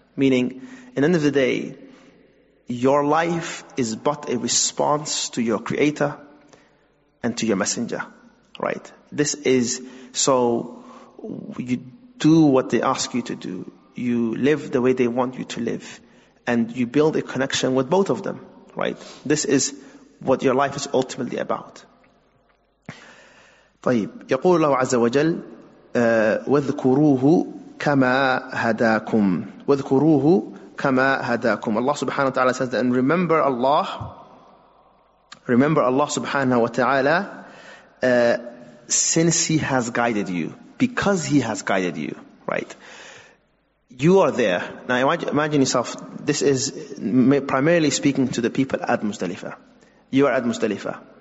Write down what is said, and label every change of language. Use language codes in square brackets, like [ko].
[en] Meaning, in the end of the day, your life is but a response to your creator and to your messenger. Right? This is, so you do what they ask you to do. You live the way they want you to live. And you build a connection with both of them. Right? This is what your life is ultimately about. [ar] طيب يقول الله عز وجل واذكروه كما هداكم واذكروه كما هداكم. [en] Allah subhanahu wa ta'ala says that, and remember Allah, remember Allah subhanahu wa ta'ala, since he has guided you, because he has guided you, right? You are there. Now imagine yourself, this is primarily speaking to the people at Muzdalifah. You are at Muzdalifah.